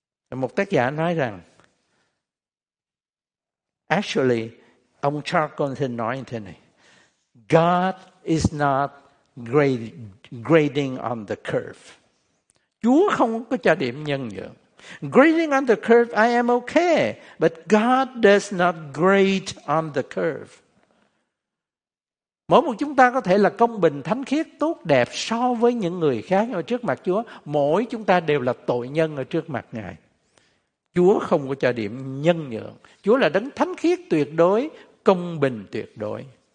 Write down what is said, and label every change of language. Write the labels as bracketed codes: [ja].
[vi] Một tác giả nói rằng, actually, ông Charles Colson nói như thế này: [en] God is not grading on the curve. [vi] Chúa không có cho điểm nhân nhượng. [en] Grading on the curve, I am okay. But God does not grade on the curve. [vi] Mỗi một chúng ta có thể là công bình, thánh khiết, tốt đẹp so với những người khác. Nhưng mà trước mặt Chúa, mỗi chúng ta đều là tội nhân ở trước mặt Ngài. Chúa không có cho điểm nhân nhượng. Chúa là đấng thánh khiết tuyệt đối, công bình tuyệt đối.